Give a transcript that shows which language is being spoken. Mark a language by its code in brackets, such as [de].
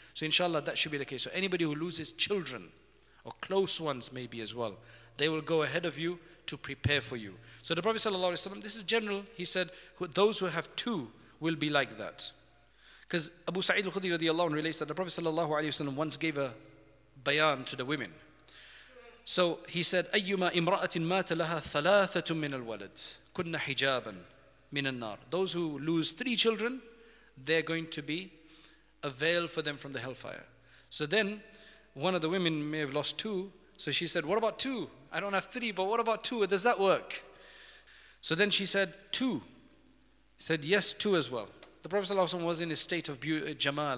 [en] So inshallah, that should be the case. So anybody who loses children, or close ones maybe as well, they will go ahead of you to prepare for you. So the Prophet sallallahu alaihi wasallam, this is general, he said, those who have two will be like that. Because Abu Sa'id al-Khudri radiallahu anhu relates that the Prophet sallallahu alaihi wasallam once gave a bayan to the women. So he said, [ar] أَيُّمَا إِمْرَأَةٍ مَاتَ لَهَا ثَلَاثَةٌ مِّنَ الْوَلَدِ كُنَّ حِجَابًا مِّنَ النَّارِ. [en] Those who lose three children, they're going to be a veil for them from the hellfire. So then, one of the women may have lost two, so she said, what about two? I don't have three, but what about two? Does that work? So then she said, two. He said, yes, two as well. The Prophet ﷺ was in a state of jamal.